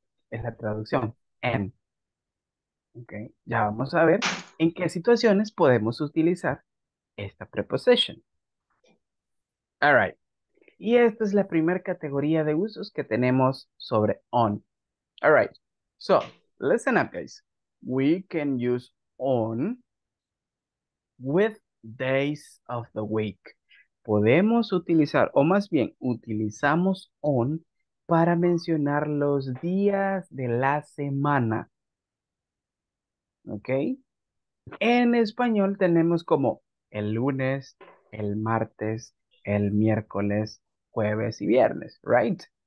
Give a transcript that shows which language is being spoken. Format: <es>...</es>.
<es>Es la traducción, en. Okay. Ya vamos a ver en qué situaciones podemos utilizar esta preposición.</es> <en>All right.</en> <es>Y esta es la primera categoría de usos que tenemos sobre on.</es> <en>All right. So, listen up, guys. We can use on with days of the week.</en> <es>Podemos utilizar, o más bien, utilizamos on para mencionar los días de la semana. ¿Ok? En español tenemos como el lunes, el martes, el miércoles, jueves y viernes, ¿right?</es>